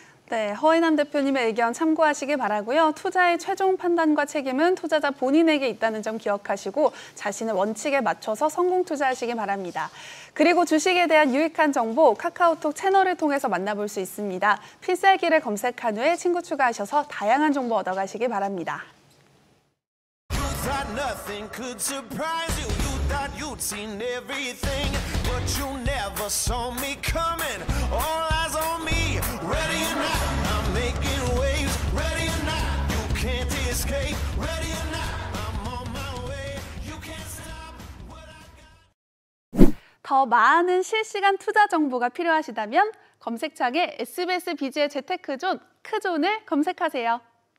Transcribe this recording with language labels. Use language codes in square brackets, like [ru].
[ko] 네, 허인함 대표님의 의견 참고하시길 바라고요. 투자의 최종 판단과 책임은 투자자 본인에게 있다는 점 기억하시고 자신의 원칙에 맞춰서 성공 투자하시길 바랍니다. 그리고 주식에 대한 유익한 정보 카카오톡 채널을 통해서 만나볼 수 있습니다. 필살기를 검색한 후에 친구 추가하셔서 다양한 정보 얻어가시길 바랍니다. [en] Nothing could surprise you. You thought you'd seen everything, but you never saw me coming. All eyes on me. Ready or not, I'm making waves. Ready or not, you can't escape. Ready or not, I'm on my way. You can't stop what I got. [ko] 더 많은 실시간 투자 정보가 필요하시다면 검색창에 SBS 비즈의 재테크존, 크존을 검색하세요.